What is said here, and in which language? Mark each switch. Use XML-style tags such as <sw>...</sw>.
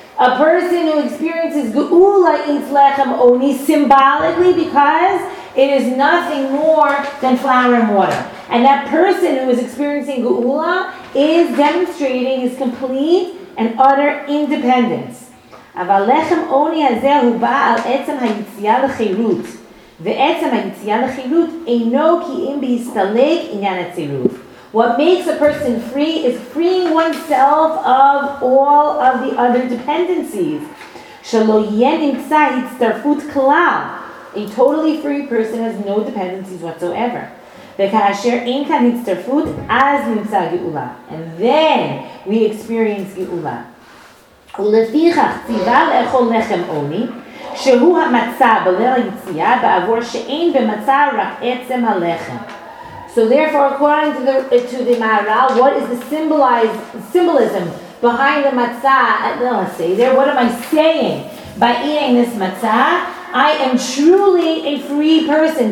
<en>A person who experiences geula eats lechem oni symbolically because it is nothing more than flour and water. And that person who is experiencing geula is demonstrating his complete and utter independence.</en> <he>אבל לחם עוני הזה הוא בא על עצם היציאה לחירות, ועצם היציאה לחירות אינו כי אם בהסתלק עניין הצירוף.</he> <en>What makes a person free is freeing oneself of all of the other dependencies.</en> <he>שלא יהיה נמצא הצטרפות כלל.</he> <en>A totally free person has no dependencies whatsoever.</en> <he>וכאשר אין כאן הצטרפות, אז נמצא גאולה.</he> <en>And then we experience גאולה.</en> <he>ולפיכך ציווה לאכול לחם עוני, שהוא המצה בליל היציאה בעבור שאין במצה רק עצם הלחם.</he> <en>So therefore, according to the Maharal, what is the symbolism behind the matzah? Let's see there, what am I saying? By eating this matzah, I am truly a free person.</en>